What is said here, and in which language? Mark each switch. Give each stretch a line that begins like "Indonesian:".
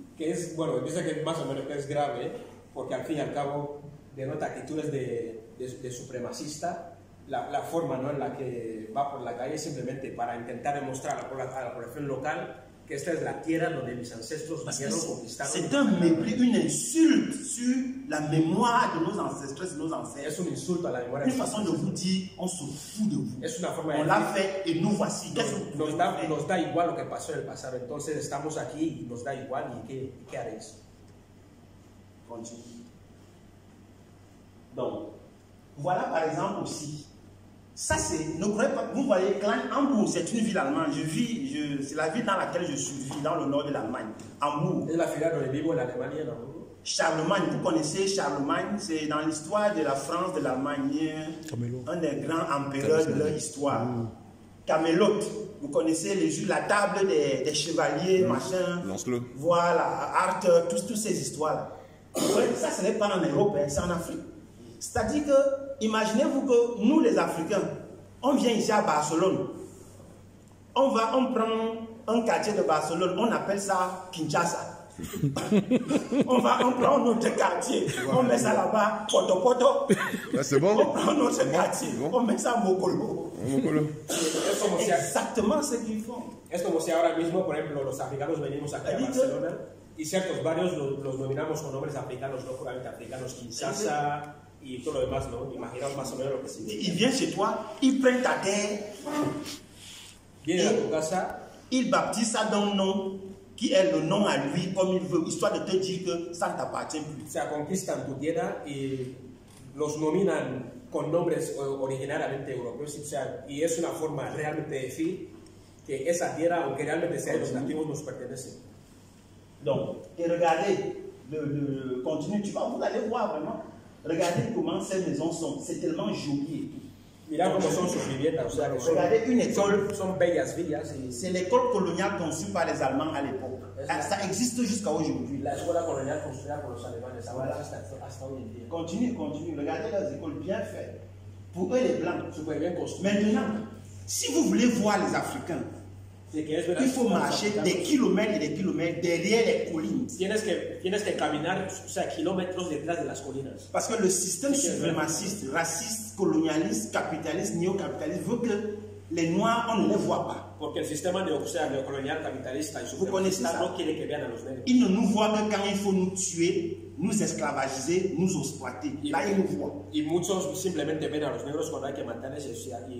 Spanish: Que es, bueno, dice que más o menos que es grave, porque al fin y al cabo denota actitudes de supremacista, la forma, ¿no?, en la que va por la calle simplemente para intentar demostrar a la población local que esta es la tierra donde mis ancestros vinieron conquistando.
French: C'est un mépris, une insulte sur la mémoire de nos ancêtres et nos ancêtres.
Spanish: Es una insulto a la memoria.
French: Une façon de vous dire, on se fout de vous.
Spanish: Es una forma de
French: on l'a fait et nous voici.
Spanish: Nos da igual lo que pasó en el pasado. Entonces estamos aquí y nos da igual y qué haréis.
French: Continue. Donc, voilà pourquoi par exemple, aussi, ça, c'est, ne croyez pas, vous voyez, Klein, Hambourg, c'est une ville allemande. Je vis, c'est la ville dans laquelle je suis, dans le nord de l'Allemagne. Hambourg. Et la filière dans les livres, l'Allemagne, non? Charlemagne, vous connaissez Charlemagne, c'est dans l'histoire de la France, de l'Allemagne, Camelot. Un des grands empereurs de leur histoire. Camelot, vous connaissez les jeux, la table des chevaliers, machin. Lance-le. Voilà, Arthur, toutes ces histoires-là. Ça, ce n'est pas en Europe, hein, c'est en Afrique. C'est-à-dire que, imaginez-vous que nous, les Africains, on vient ici à Barcelone. On prend un quartier de Barcelone, on appelle ça Kinshasa. on prend notre quartier, on met ça là-bas, Poto Poto. Ouais, c'est bon. On prend notre quartier, bon. On met ça à Mokolo. Mokolo. C'est exactement ce qu'ils font. Est-ce que
Spanish: si ahora mismo, por ejemplo, los africanos venimos aquí a Barcelona y ciertos barrios los nominamos con nombres africanos, no puramente africanos, Kinshasa. Y todo lo demás, ¿no? Imaginaos más o menos lo que significa.
French: Il vient chez toi, il prend ta terre.
Spanish: Viene a tu casa.
French: Il baptise ça d'un nom qui est le nom à lui comme il veut, histoire de te dire que ça ne t'appartient plus.
Spanish: Se conquistan tu tierra y los nominan con nombres originariamente europeos. O sea, y es una forma realmente de decir que esa tierra, aunque realmente sea de los nativos, nos pertenece.
French: Donc, et regardez, le continue, tu vas, vous allez voir vraiment. Regardez comment ces maisons sont, c'est tellement joli.
Spanish: Mira cómo son sus viviendas, o sea,
French: regardez une école,
Spanish: son bellas villas.
French: C'est l'école coloniale conçue par les Allemands à l'époque. Ça existe jusqu'à aujourd'hui.
Spanish: La escuela colonial construida por los alemanes, voilà. hasta hoy en día.
French: Continue, regardez les écoles bien faites. Pour eux, les Blancs,
Spanish: se pueden bien construir.
French: Maintenant, si vous voulez voir les Africains, il faut marcher des kilomètres et des kilomètres derrière les collines.
Spanish: Tienes que caminar, o sea, kilómetros detrás de las colinas.
French: Parce que le système suprémaciste, raciste, colonialiste, capitaliste, néo-capitaliste veut que les Noirs, on ne les voit pas.
Spanish: Porque el sistema neocolonial, capitalista,
French: vous connaissez ça.
Spanish: No quiere que vean a los negros.
French: Ils ne nous voient que quand il faut nous tuer, nous esclavagiser, nous exploiter. Là, ils nous voient.
Spanish: Y muchos simplemente ven a los negros cuando hay que matarles y la